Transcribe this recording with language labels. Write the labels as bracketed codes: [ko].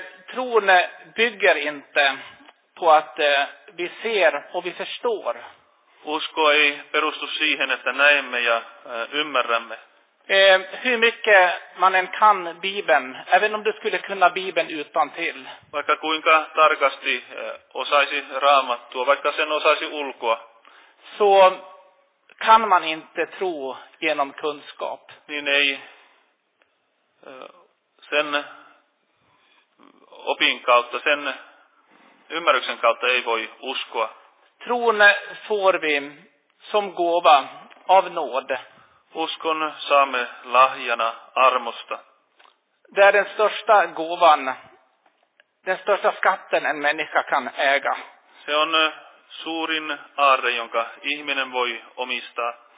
[sv] Tron bygger inte på att vi ser och vi förstår. [fi] Usko ei perustu siihen, että näemme ja ymmärrämme. [sv] Hur mycket man än kan Bibeln, även om du skulle kunna Bibeln utan till. [fi] Vaikka kuinka tarkasti osaisi Raamattua, vaikka sen osaisi ulkoa. [sv] Så kan man inte tro genom kunskap. [fi] Niin ei sen opin kautta, sen ymmärryksen kautta ei voi uskoa. [sv] Tron får vi som gåva av nåd. [fi] Uskon saamme lahjana armosta. [sv] Det är den största gåvan, den största skatten en människa kan äga. [fi] Se on suurin aarre, jonka ihminen voi omistaa.